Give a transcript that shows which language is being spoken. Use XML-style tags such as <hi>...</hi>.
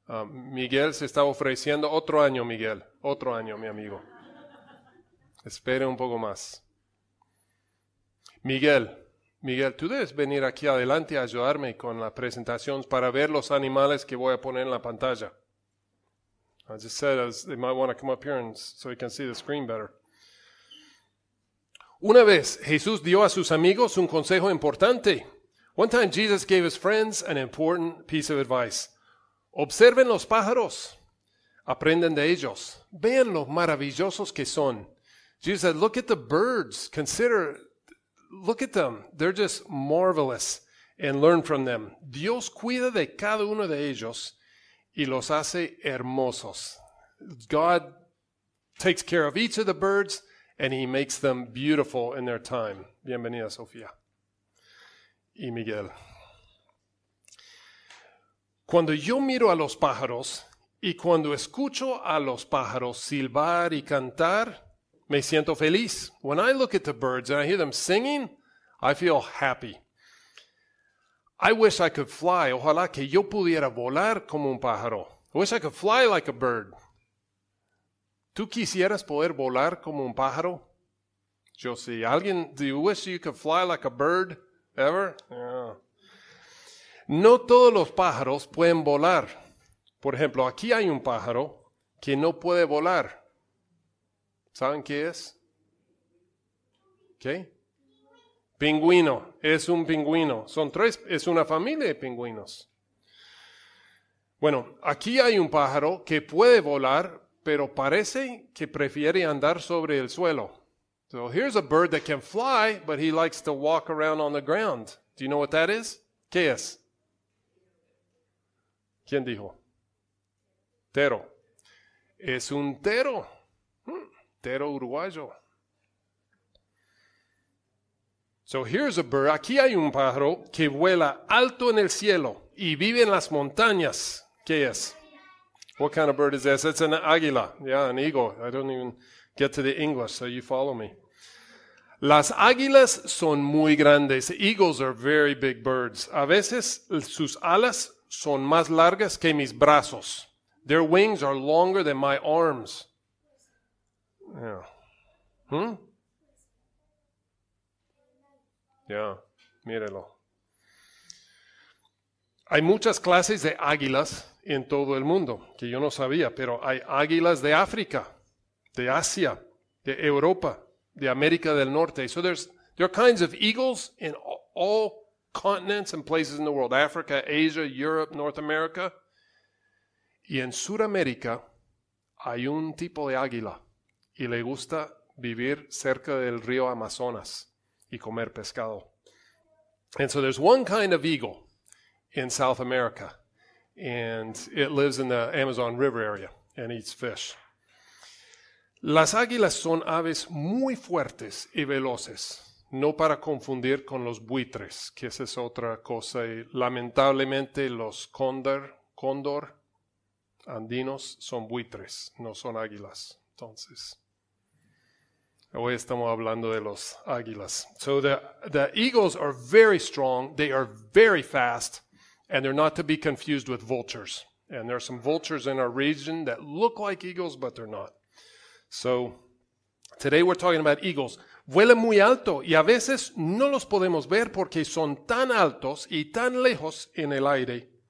<es>Miguel se está ofreciendo otro año, Miguel. Otro año, mi amigo. Espere un poco más. Miguel, tú debes venir aquí adelante a ayudarme con la presentación para ver los animales que voy a poner en la pantalla.</es> <en>I just said they might want to come up here and so you can see the screen better.</en> <es>Una vez, Jesús dio a sus amigos un consejo importante.</es> <en>One time, Jesus gave his friends an important piece of advice.</en> <es>Observen los pájaros. Aprenden de ellos. Vean lo maravillosos que son.</es> <en>Jesus said, look at the birds. Look at them. They're just marvelous. And learn from them.</en> <es>Dios cuida de cada uno de ellos y los hace hermosos.</es> <en>God takes care of each of the birds and he makes them beautiful in their time.</en> <es>Bienvenida, Sofía. Y Miguel. Cuando yo miro a los pájaros y cuando escucho a los pájaros silbar y cantar, me siento feliz.</es> <en>When I look at the birds and I hear them singing, I feel happy. I wish I could fly.</en> <es>Ojalá que yo pudiera volar como un pájaro.</es> <en>I wish I could fly like a bird.</en> <es>¿Tú quisieras poder volar como un pájaro? Yo sí. ¿Alguien,</es> <en>do you wish you could fly like a bird ever? Yeah.</en> <es>No todos los pájaros pueden volar. Por ejemplo, aquí hay un pájaro que no puede volar. ¿Saben qué es? ¿Qué? Pingüino. Es un pingüino. Son tres. Es una familia de pingüinos. Bueno, aquí hay un pájaro que puede volar, pero parece que prefiere andar sobre el suelo.</es> <en>So here's a bird that can fly, but he likes to walk around on the ground. Do you know what that is?</en> <es>¿Qué es? ¿Quién dijo? Tero. Es un tero. Tero uruguayo.</es> <en>So here's a bird.</en> <es>Aquí hay un pájaro que vuela alto en el cielo y vive en las montañas. ¿Qué es?</es> <en>What kind of bird is this? It's an águila. Yeah, an eagle. I don't even get to the English, so you follow me.</en> <es>Las águilas son muy grandes.</es> <en>Eagles are very big birds.</en> <es>A veces sus alas son más largas que mis brazos.</es> <en>Their wings are longer than my arms. Yeah. Hmm? Yeah,</en> <es>mírelo. Hay muchas clases de águilas en todo el mundo, que yo no sabía, pero hay águilas de África, de Asia, de Europa, de América del Norte.</es> <en>So there are kinds of eagles in all continents and places in the world. Africa, Asia, Europe, North America.</en> <es>Y en Sudamérica hay un tipo de águila y le gusta vivir cerca del río Amazonas y comer pescado. And so there's one kind of eagle in South America and it lives in the Amazon River area and eats fish. Las águilas son aves muy fuertes y veloces. No para confundir con los buitres, que esa es otra cosa. Y lamentablemente los cóndor andinos son buitres, no son águilas. Entonces, hoy estamos hablando de los águilas.</es> <en>So the eagles are very strong, they are very fast, and they're not to be confused with vultures. And there are some vultures in our region that look like eagles, but they're not. So today we're talking about eagles.</en> <es>Vuelan muy alto y a veces no los podemos ver porque son tan altos y tan lejos en el aire.</es>